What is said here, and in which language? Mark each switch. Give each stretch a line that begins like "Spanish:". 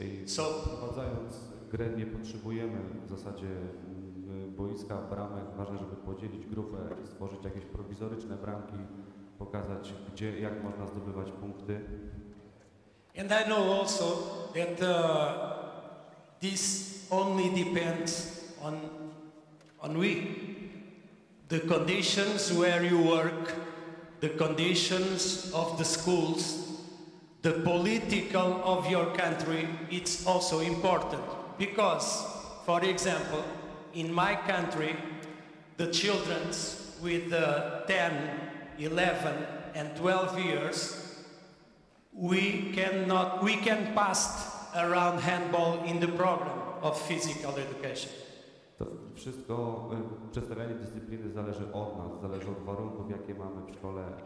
Polish: So, prowadząc grę, nie potrzebujemy w zasadzie boiska, bramek. Ważne, żeby podzielić grupę, stworzyć jakieś prowizoryczne bramki, pokazać, gdzie, jak można zdobywać punkty.
English: And I know also that this only depends on we. The conditions where you work, the conditions of the schools, the political of your country, it's also important. Because, for example, in my country, the children with 10, 11, and 12 years, we can pass around handball in the program of physical education.
Polish: To wszystko, przedstawianie dyscypliny zależy od nas, zależy od warunków, jakie mamy w szkole.